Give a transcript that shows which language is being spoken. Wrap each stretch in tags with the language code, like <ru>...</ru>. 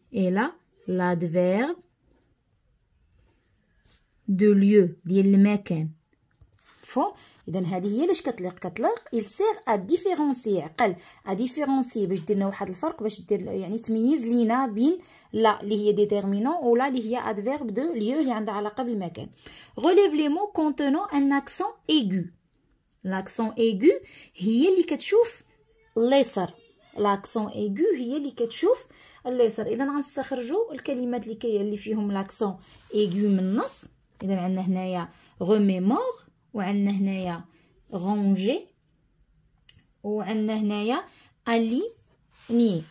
<ar>اي لا لادفيرب دو ليو ديال المكان، فهم؟ اذا هذه هي علاش كتليق، كتليق</ar> <fr>il sert à différencier،</fr> <ar>عقل à différencier باش دير لنا واحد الفرق، باش دير يعني تميز لينا بين لا اللي هي ديتيرمينون و لا اللي هي ادفيرب دو ليو اللي عندها علاقه بالمكان.</ar> <fr>relève les mots contenant un accent aigu.</fr> <ar>l'accent aigu هي اللي كتشوف ليسر، l'accent aigu هي اللي كتشوف ليسر. اذا غنستخرجوا الكلمات اللي كاين اللي فيهم l'accent aigu من النص. اذا عندنا هنايا remémore، وعندنا هنايا رونجي، وعندنا هنايا اليني.</ar>